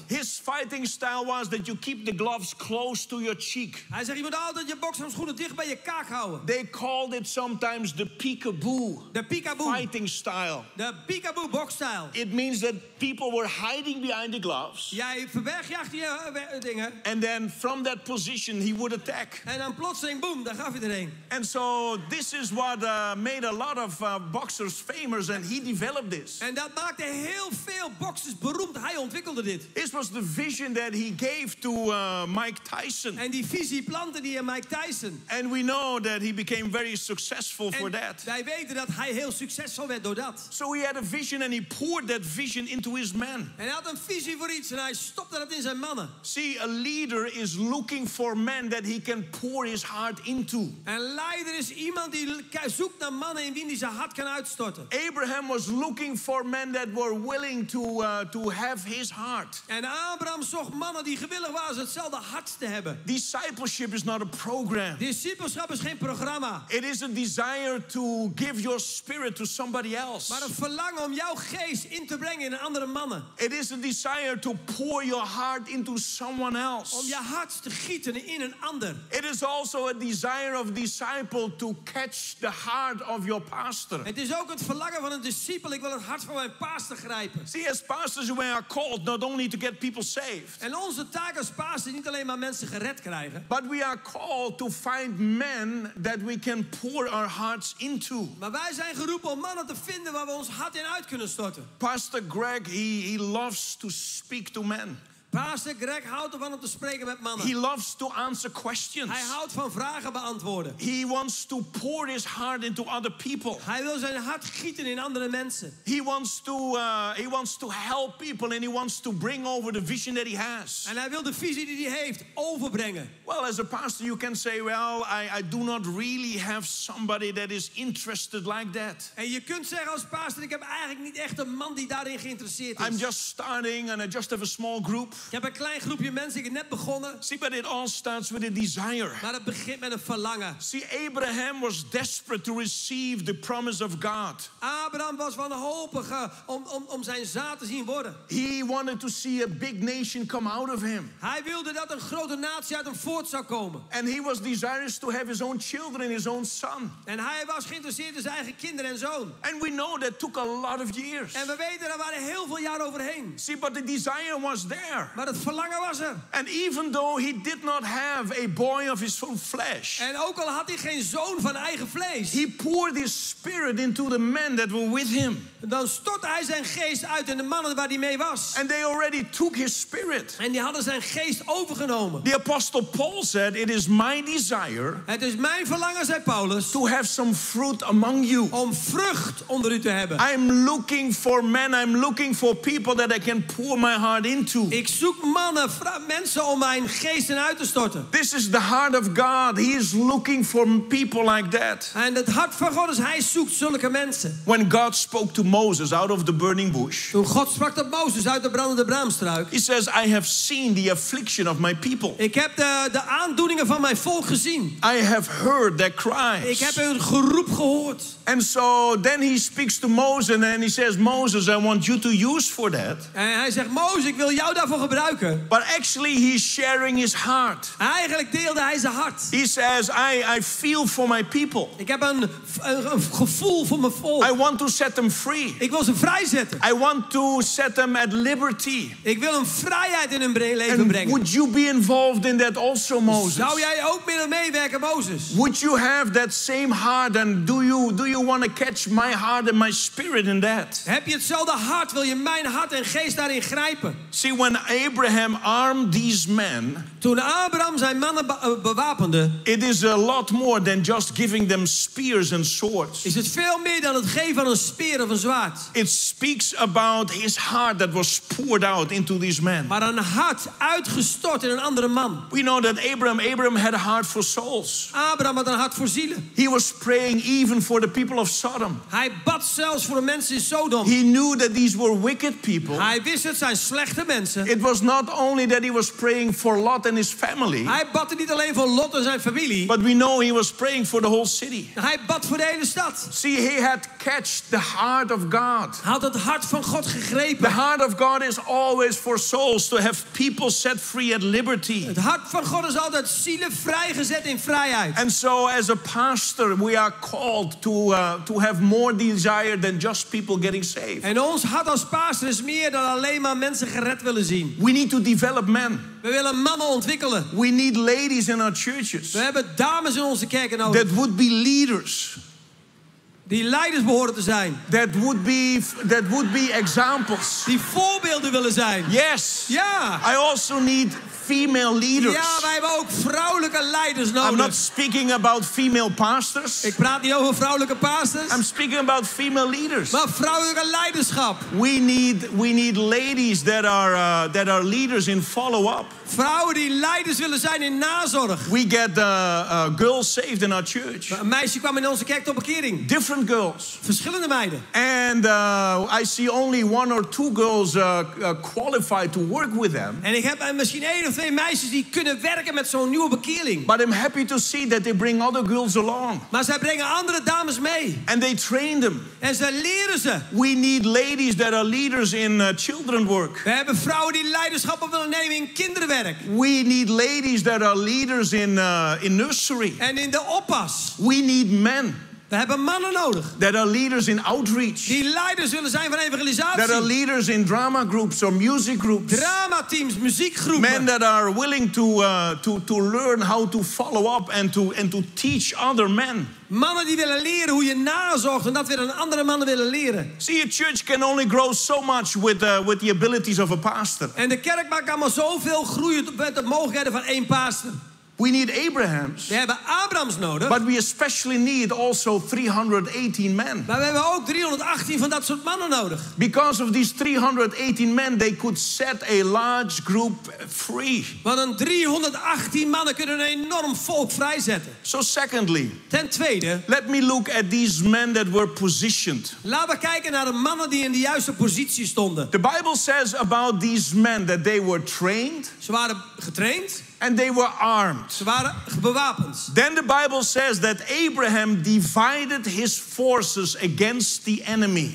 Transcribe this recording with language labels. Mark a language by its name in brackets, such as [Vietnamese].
[English] His fighting style was that you keep the gloves close to your cheek. [Dutch] Hij zegt, je moet altijd je bokshandschoenen dicht bij je kaak houden. [English] They called it sometimes the peekaboo. [Dutch] De peekaboo. [English] Fighting style. [Dutch] De peekaboo bokstijl. [English] It means that people were hiding behind the gloves. [Dutch] Jij verbergt je dingen. [English] And then from that position he would attack. [Dutch] En dan plotseling boom, daar gaf hij er een. [English] And so this is what made a lot of boxers famous and he developed this. [Dutch] En dat maakte heel veel boxers beroemd. Hij ontwikkelde dit. [English] This was the vision that he gave to Mike Tyson. [Dutch] En die visie plantte die aan Mike Tyson. [English] And we know that he became very successful [Dutch] en [English] for that. [Dutch] Wij weten dat hij heel succesvol werd door dat. [English] So he had a vision and he poured that vision into his men. [Dutch] En hij had een visie voor iets en hij stopte dat in zijn mannen. [English] See, a leader is looking for men that he can pour his heart into. [Dutch] Een leider is iemand die zoekt naar mannen in wie hij zijn hart kan uitstorten. [English] Abraham was looking for men that were willing to have his heart. [Dutch] En Abraham zocht mannen die gewillig waren hetzelfde hart te hebben. [English] Discipleship is not a program. [Dutch] Discipelschap is geen programma. [English] It is a desire to give your spirit to somebody else. [Dutch] Maar een verlangen om jouw geest in te brengen in andere mannen. [English] It is a desire to pour your heart into someone else. [Dutch] Om je hart te gieten in een ander. [English] It is also a desire of disciple to catch the heart of your pastor. [Dutch] Het is ook het verlangen van een discipel. Ik wil het hart van mijn pastor grijpen. [English] See, as pastors we are called not only to get people saved. [Dutch] En onze taak als pastor is niet alleen maar mensen gered krijgen. [English] But we are called to find men that we can pour our hearts into. [Dutch] Maar wij zijn geroepen om mannen te vinden waar we ons hart in uit kunnen storten. [English] Pastor Greg, he loves to speak to men. [Dutch] Pastor Greg houdt ervan om te spreken met mannen. [English] He loves to answer questions. [Dutch] Hij houdt van vragen beantwoorden. [English] He wants to pour his heart into other people. [Dutch] Hij wil zijn hart gieten in andere mensen. [English] He wants to help people and he wants to bring over the vision that he has. [Dutch] En hij wil de visie die hij heeft overbrengen. [English] Well, as a pastor you can say, well, I do not really have somebody that is interested like that. [Dutch] En je kunt zeggen als pastor, ik heb eigenlijk niet echt een man die daarin geïnteresseerd is. [English] I'm just starting and I just have a small group. [Dutch] Ik heb een klein groepje mensen, ik heb net begonnen. [English] See, but it all starts with a desire. [Dutch] Maar het begint met een verlangen. [English] See, Abraham was desperate to receive the promise of God. [Dutch] Abraham was wanhopig om zijn zaad te zien worden. [English] He wanted to see a big nation come out of him. [Dutch] Hij wilde dat een grote natie uit hem voort zou komen. [English] And he was desirous to have his own children, his own son. [Dutch] En hij was geïnteresseerd in zijn eigen kinderen en zoon. [English] And we know that took a lot of years. [Dutch] En we weten dat waren heel veel jaren overheen. [English] See, but the desire was there. [Dutch] Maar het verlangen was er. [English] And even though he did not have a boy of his own flesh. [Dutch] En ook al had hij geen zoon van eigen vlees. [English] He poured his spirit into the men that were with him. [Dutch] Dan stortte hij zijn geest uit in de mannen waar hij mee was. [English] And they already took his spirit. [Dutch] En die hadden zijn geest overgenomen. [English] The apostle Paul said, "It is my desire." [Dutch] Het is mijn verlangen, zei Paulus. [English] To have some fruit among you. [Dutch] Om vrucht onder u te hebben. [English] I'm looking for men. I'm looking for people that I can pour my heart into. [Dutch] Ik zoek mannen, mensen om mijn geest in uit te storten. [English] This is the heart of God. He is looking for people like that. [Dutch] En het hart van God is, hij zoekt zulke mensen. [English] When God spoke to Moses out of the burning bush. [Dutch] Toen God sprak tot Mozes uit de brandende braamstruik. [English] He says, "I have seen the affliction of my people." [Dutch] Ik heb de aandoeningen van mijn volk gezien. [English] I have heard their cries. [Dutch] Ik heb hun geroep gehoord. [English] And so then he speaks to Moses and then he says, "Moses, I want you to use for that." [Dutch] En hij zegt, Mozes, ik wil jou daarvoor gebruiken. [English] But actually he's sharing his heart. [Dutch] Eigenlijk deelde hij zijn hart. [English] He says, I feel for my people. [Dutch] Ik heb een gevoel voor mijn volk. [English] I want to set them free. [Dutch] Ik wil ze vrijzetten. [English] I want to set them at liberty. [Dutch] Ik wil een vrijheid in hun leven and brengen. [English] Would you be involved in that also, Moses? [Dutch] Zou jij ook meewerken, Moses? [English] Would you have that same heart and do you want to catch my heart and my spirit in that? [Dutch] Heb je hetzelfde hart? Wil je mijn hart en geest daarin grijpen? [English] See, when Abraham armed these men, [Dutch] toen Abraham zijn mannen bewapende, [English] it is a lot more than just giving them spears and swords. [Dutch] Is het veel meer dan het geven van een speer of een zwaard? [English] It speaks about his heart that was poured out into these men. [Dutch] Maar een hart uitgestort in een andere man. [English] We know that Abraham had a heart for souls. [Dutch] Abraham had een hart voor zielen. [English] He was praying even for the people of Sodom. [Dutch] Hij bad zelfs voor de mensen in Sodom. [English] He knew that these were wicked people. [Dutch] Hij wist het zijn slechte mensen. [English] It was not only that he was praying for Lot and his family. [Dutch] Hij bad niet alleen voor Lot en zijn familie. [English] But we know he was praying for the whole city. [Dutch] Hij bad voor de hele stad. [English] See, he had catched the heart of God. [Dutch] Hij had het hart van God gegrepen. [English] The heart of God is always for souls to have people set free at liberty. [Dutch] Het hart van God is altijd zielen vrijgezet in vrijheid. [English] And so as a pastor we are called to have more desire than just people getting saved. [Dutch] En ons hart als pastor is meer dan alleen maar mensen gered willen zien. [English] We need to develop men. [Dutch] We willen mannen ontwikkelen. [English] We need ladies in our churches. [Dutch] We hebben dames in onze kerken nodig. [English] That would be leaders. [Dutch] Die leiders behoren te zijn. [English] That would be examples. [Dutch] Die voorbeelden willen zijn. [English] Yes. Ja. I also need female leaders. [Dutch] Ja, wij hebben ook vrouwelijke leiders nodig. [English] I'm not speaking about female pastors. [Dutch] Ik praat niet over vrouwelijke pastors. [English] I'm speaking about female leaders. [Dutch] Maar vrouwelijke leiderschap. [English] We need ladies that are leaders in follow-up. [Dutch] Vrouwen die leiders willen zijn in nazorg. [English] We get girls saved in our church. [Dutch] Een meisje kwam in onze kerk tot bekering. [English] Different girls. [Dutch] Verschillende meiden. [English] And I see only one or two girls qualified to work with them. [Dutch] En ik heb misschien één of twee meisjes die kunnen werken met zo'n nieuwe bekering. [English] But I'm happy to see that they bring other girls along. [Dutch] Maar zij brengen andere dames mee. [English] And they train them. [Dutch] En ze leren ze. [English] We need ladies that are leaders in children work. [Dutch] We hebben vrouwen die leiderschap willen nemen in kinderen. [English] We need ladies that are leaders in nursery. And in the oppas. We need men. [Dutch] We hebben mannen nodig. [English] That are leaders in outreach. [Dutch] Die leiders willen zijn van evangelisatie. [English] That are leaders in drama groups or music groups. [Dutch] Drama teams, muziekgroepen. [English] Men that are willing to learn how to follow up and to teach other men. [Dutch] Mannen die willen leren hoe je nazorgt en dat weer aan andere mannen willen leren. [English] See, a church can only grow so much with the abilities of a pastor. [Dutch] En de kerk maakt allemaal zoveel groeien met de mogelijkheden van één pastor. [English] We need Abraham's. [Dutch] We hebben Abrahams nodig. [English] But we especially need also 318 men. [Dutch] Maar we hebben ook 318 van dat soort mannen nodig. [English] Because of these 318 men, they could set a large group free. [Dutch] Want een 318 mannen kunnen een enorm volk vrijzetten. [English] So secondly. [Dutch] Ten tweede. [English] Let me look at these men that were positioned. [Dutch] Laten we kijken naar de mannen die in de juiste positie stonden. [English] The Bible says about these men that they were trained. [Dutch] Ze waren getraind. [English] And they were armed. [Dutch] Ze waren bewapend. [English] Then the Bible says that Abraham divided his forces against the enemy.